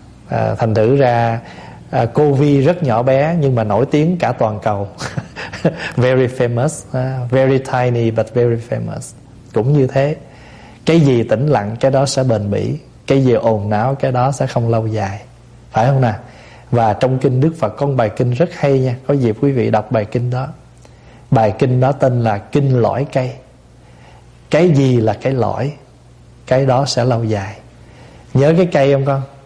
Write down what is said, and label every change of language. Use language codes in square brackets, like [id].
[vi] Thành thử ra COVID rất nhỏ bé nhưng mà nổi tiếng cả toàn cầu. [en] Very famous, very tiny but very famous. [vi] Cũng như thế, cái gì tĩnh lặng cái đó sẽ bền bỉ, cái gì ồn náo cái đó sẽ không lâu dài, phải không nào? Và trong kinh Đức Phật có một bài kinh rất hay nha, có dịp quý vị đọc bài kinh đó. Bài kinh đó tên là Kinh Lõi Cây. Cái gì là cái lõi, cái đó sẽ lâu dài. Nhớ cái cây không con?